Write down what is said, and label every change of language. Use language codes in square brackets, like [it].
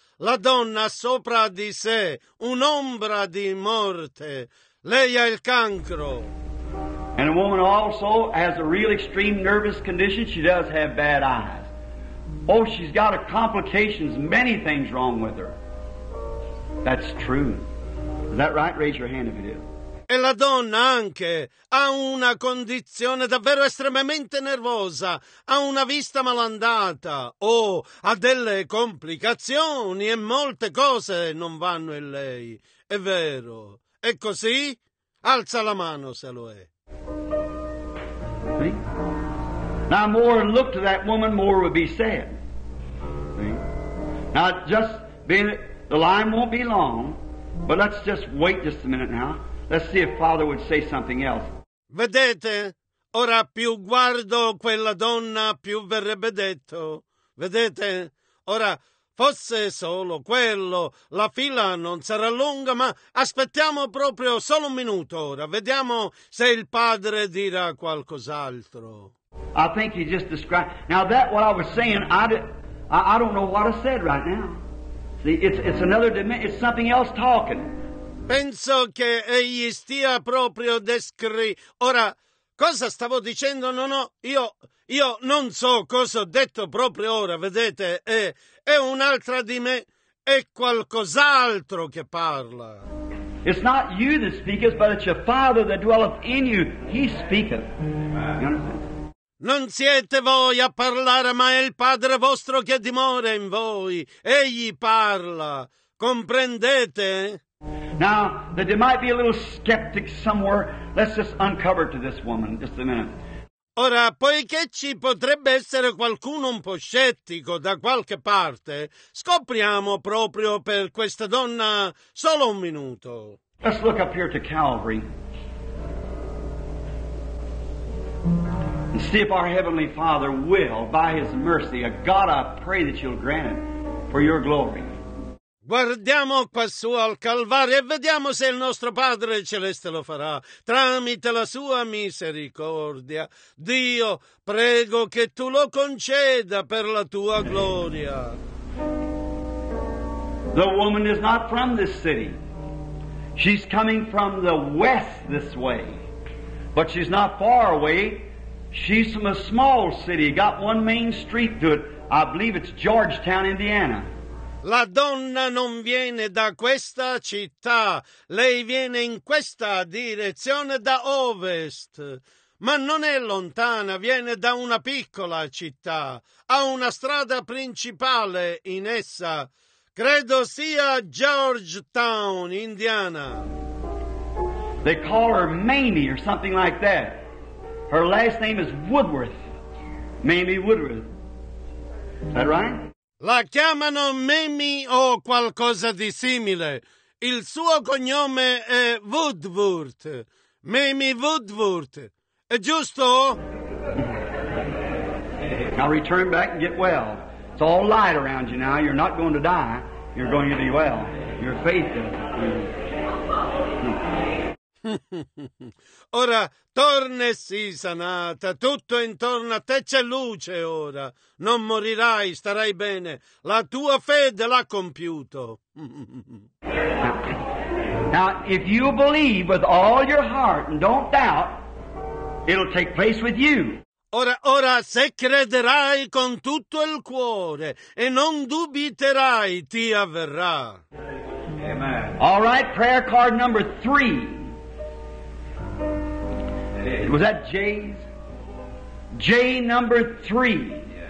[it] La donna ha sopra di sé un'ombra di morte. Lei ha il cancro. [en] And a woman also has a real extreme nervous condition. She does have bad eyes. Oh, she's got a complications, many things wrong with her. That's true. Is that right? Raise your hand if it is. [it] E la donna anche ha una condizione davvero estremamente nervosa, ha una vista malandata, ha delle complicazioni e molte cose non vanno in lei. È vero. È così? Alza la mano se lo è. Sì. [en] Now more look to that woman, more would be said. See? Now just being the line won't be long, but let's just wait just a minute now. Let's see if Father would say something else. [it] Vedete? Ora più guardo quella donna, più verrebbe detto. Vedete? Ora fosse solo quello, la fila non sarà lunga, ma aspettiamo proprio solo un minuto ora. Vediamo se il Padre dirà qualcos'altro. [en] I think he just described. Now that what I was saying, I don't know what I said right now. See, it's another dimension. It's something else talking. [it] Penso che egli stia proprio ora cosa stavo dicendo. No, no, io non so cosa ho detto proprio ora. Vedete, è un'altra di me. È qualcos'altro che parla. [en] It's not you that speaketh, but it's your Father that dwelleth in you. He speaketh. You understand? [it] Non siete voi a parlare, ma è il Padre vostro che dimora in voi. Egli parla. Comprendete? [en] Now, there might be a little skeptic somewhere. Let's just uncover to this woman just a minute. [it] Ora, poiché ci potrebbe essere qualcuno un po' scettico da qualche parte, scopriamo proprio per questa donna solo un minuto. [en] Let's look up here to Calvary. And see if our Heavenly Father will, by His mercy, a God I pray that you'll grant it for your glory. [it] Guardiamo quassù al Calvario e vediamo se il nostro Padre Celeste lo farà tramite la sua misericordia. Dio, prego che tu lo conceda per la tua gloria. [en] The woman is not from this city. She's coming from the west this way. But she's not far away. She's from a small city, got one main street to it. I believe it's Georgetown, Indiana. [it] La donna non viene da questa città. Lei viene in questa direzione da ovest. Ma non è lontana, viene da una piccola città. Ha una strada principale in essa. Credo sia Georgetown, Indiana. [en] They call her Mamie or something like that. Her last name is Woodworth. Mamie Woodworth. Is that right? [it] La chiamano Mamie o qualcosa di simile. Il suo cognome è Woodworth. Mamie Woodward. Giusto? [en] Now return back and get well. It's all light around you now. You're not going to die. You're going to be well. Your faith is... [it] Ora torna e sii sanata, tutto intorno a te c'è luce ora, non morirai, starai bene, la tua fede l'ha compiuto. [en] Now, if you believe with all your heart and don't doubt, it'll take place with you. [it] Ora, se crederai con tutto il cuore e non dubiterai, ti avverrà. [en] Amen. All right, prayer card number 3. Was that J's? J number 3.